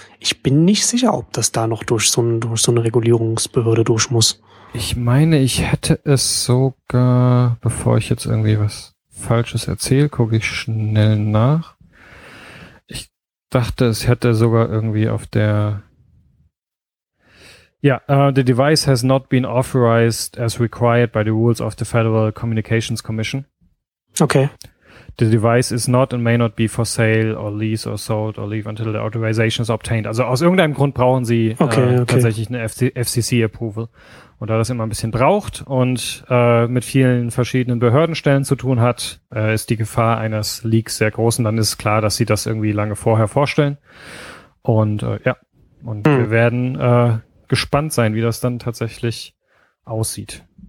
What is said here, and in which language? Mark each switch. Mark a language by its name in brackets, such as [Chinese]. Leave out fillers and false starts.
[German] Ich bin nicht sicher, ob das da noch durch so eine Regulierungsbehörde durch muss. Ich meine, ich hätte es sogar, bevor ich jetzt irgendwie was Falsches erzähle, gucke ich schnell nach. Ich dachte, es hätte sogar irgendwie auf der... [English] Ja, the device has not been authorized as required by the rules of the Federal Communications Commission. Okay. The device is not and may not be for sale or lease or sold or leave until the authorization is obtained. [German] Also aus irgendeinem Grund brauchen sie tatsächlich eine FCC-Approval. Und da das immer ein bisschen braucht und mit vielen verschiedenen Behördenstellen zu tun hat, ist die Gefahr eines Leaks sehr groß. Und dann ist klar, dass sie das irgendwie lange vorher vorstellen. Und wir werden gespannt sein, wie das dann tatsächlich aussieht.